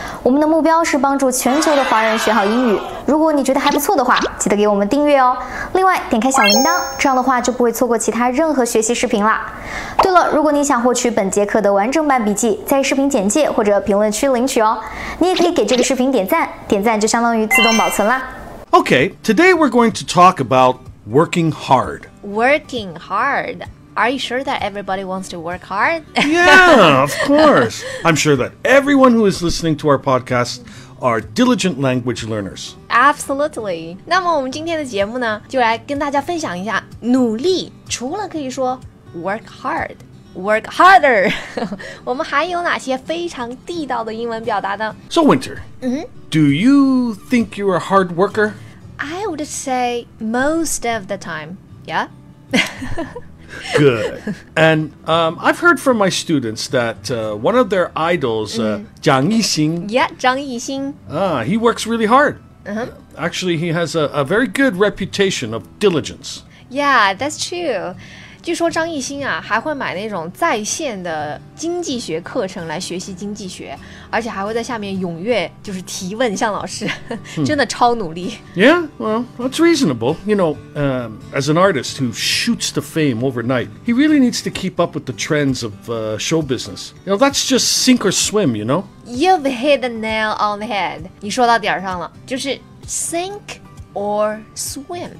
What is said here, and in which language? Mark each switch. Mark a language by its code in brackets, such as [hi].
[zh] 我们的目标是帮助全球的华人学好英语。如果你觉得还不错的话，记得给我们订阅哦。另外，点开小铃铛，这样的话就不会错过其他任何学习视频啦。对了，如果你想获取本节课的完整版笔记，在视频简介或者评论区领取哦。你也可以给这个视频点赞，点赞就相当于自动保存啦。 [en] Okay, today we're going to talk about working hard. Working hard. Are you sure that everybody wants to work hard? Yeah, of course. I'm sure that everyone who is listening to our podcast are diligent language learners. Absolutely. [zh] 那么我们今天的节目呢，就来跟大家分享一下努力。除了可以说 [en] work hard, work harder, [zh] 我们还有哪些非常地道的英文表达呢？ [en] So Winter,、mm-hmm. do you think you're a hard worker? I would say most of the time, yeah. Good. And、I've heard from my students that、one of their idols,、Zhang Yixing. Yeah, Zhang Yixing. He works really hard.、Uh-huh. Actually, he has a very good reputation of diligence. Yeah, that's true. [zh] 据说张艺兴啊还会买那种在线的经济学课程来学习经济学，而且还会在下面踊跃就是提问向老师、hmm. 真的超努力。 [en] Yeah, well, that's reasonable. You know,、as an artist who shoots to fame overnight, he really needs to keep up with the trends of、show business. You know, that's just sink or swim, you know. You've hit the nail on the head. [zh] 你说到点上了，就是 [en] sink or swim.